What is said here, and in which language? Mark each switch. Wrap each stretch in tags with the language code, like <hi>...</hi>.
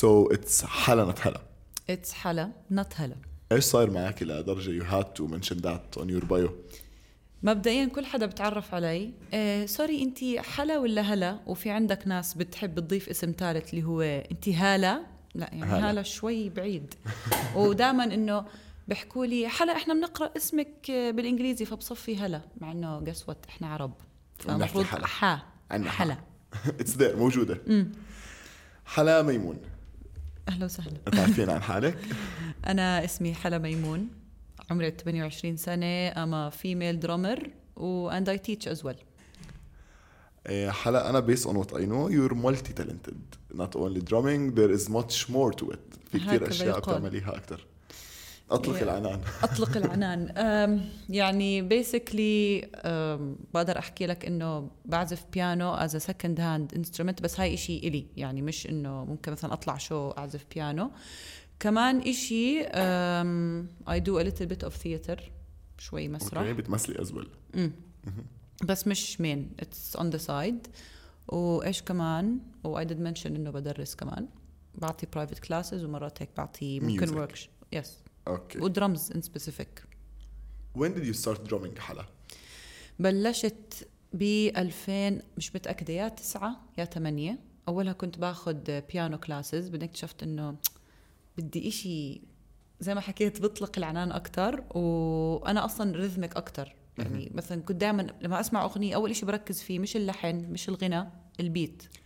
<en>It's حلا not حلا. It's حلا not حلا.</en> <ar>إيش صار معك لدرجة</ar> <en>you had to mention that on your bio؟</en> <ar>مبدئياً كل حدا بتعرف علي سوري أنتي حلا ولا هلا؟ وفي عندك ناس بتحب تضيف اسم ثالث اللي هو أنتي هالة؟ لا يعني هالة شوي بعيد. ودائماً إنه بحكوا لي حلا إحنا بنقرأ اسمك بالإنجليزي فبصفي هلا، مع إنه قسوت إحنا عرب فمفروض حا حلا.</ar> <en>It's there</en> <ar>موجودة. حلا ميمون أهلا وسهلا. تعرفين عن حالك؟ أنا اسمي حلا ميمون، عمري 28 سنة، أما</ar> <en>female drummer and I teach as well. حلا أنا based on what I know you're multi-talented, not only drumming, there is much more to it.</en> <ar>في كتير أشياء بتعمليها أكتر. أطلق العنان. أطلق العنان. يعني basically بقدر أحكي لك إنه بعزف بيانو</ar> <en>as a second hand instrument،</en> <ar>بس هاي إشي إلي، يعني مش إنه ممكن مثلا أطلع شو أعزف بيانو. كمان إشي</ar> <en>I do a little bit of theater،</en> <ar>شوي مسرح. أوكي بتمثلي</ar> <en>as well.</en> <ar>بس مش</ar> <en>main، it's on the side.</en> <ar>وإيش كمان؟ و</ar> <en>I did mention</en> <ar>إنه بدرس كمان، بعطي</ar> <en>private classes</en> <ar>ومرات هيك بعطي ممكن works.</ar> <en>Yes. Okay.</en> <ar>ودرمز</ar> <en>in specific. When did you start drumming حلا؟</en> <ar>بلشت بألفين مش متأكدة يا تسعة يا تمانية. أولها كنت باخد piano classes، بعدين اكتشفت إنه بدي إشي زي ما حكيت بطلق العنان أكتر، وأنا أصلاً ريثمك أكتر. يعني مثلاً كنت دائماً لما أسمع أغنية أول إشي بركز فيه مش اللحن مش الغنى، البيت،</ar>